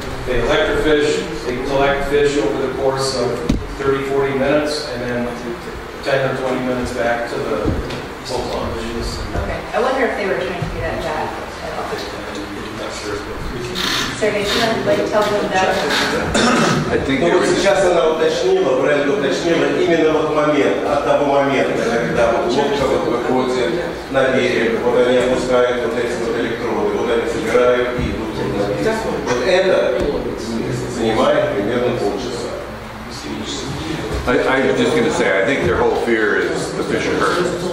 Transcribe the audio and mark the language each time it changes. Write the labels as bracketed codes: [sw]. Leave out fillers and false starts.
[en] They electrofish, they collect fish over the course of 30, 40 minutes, and then 10 or 20 minutes back to the boat launch. Okay. I wonder if they were trying to do that job at all. I'm not sure. [ru] Сергей, что надо тебе сейчас она уточнила, правильно уточнила именно вот момент, от того момента, когда вот лодка вот выходит на берег, вот они опускают вот эти вот электроды, вот они собирают и идут вот на берег. Вот это занимает примерно полчаса. [en] I'm just going to say, I think their whole fear is the fish are hurt.